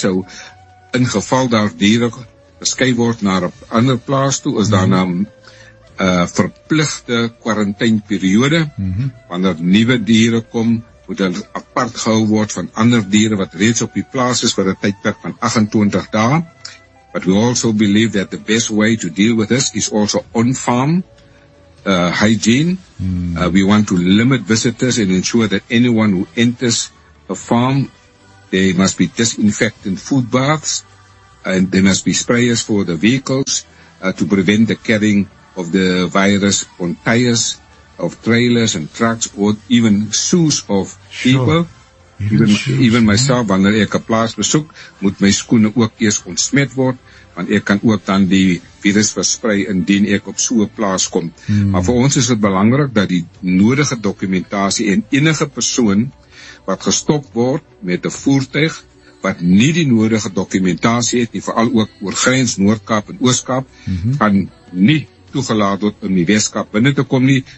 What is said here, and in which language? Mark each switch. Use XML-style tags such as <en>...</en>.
<af>So in geval daar diere geskei word naar 'n ander plaas toe, is daar 'n verpligte quarantine periode. Wanneer nuwe diere kom, moet hulle apart gehou word van ander diere wat reeds op die plaas is vir 'n tydperk van 28 dae.</af> <en>But we also believe that the best way to deal with this is also on-farm hygiene. We want to limit visitors and ensure that anyone who enters a farm, they must be disinfectant food baths, and there must be sprayers for the vehicles to prevent the carrying of the virus on tires of trailers and trucks or even shoes of people. Even myself,</en> <af>wanneer ek 'n plaas besoek, moet my skoene ook eers ontsmet word, want ek kan ook dan die virus versprei indien ek op so 'n plaas kom. Maar vir ons is dit belangrik dat die nodige dokumentasie en enige persoon wat gestop word met 'n voertuig wat nie die nodige dokumentasie het nie, veral ook oor grens Noord-Kaap en Oos-Kaap, kan nie toegelaat word om die Weskaap binne te kom nie.</af>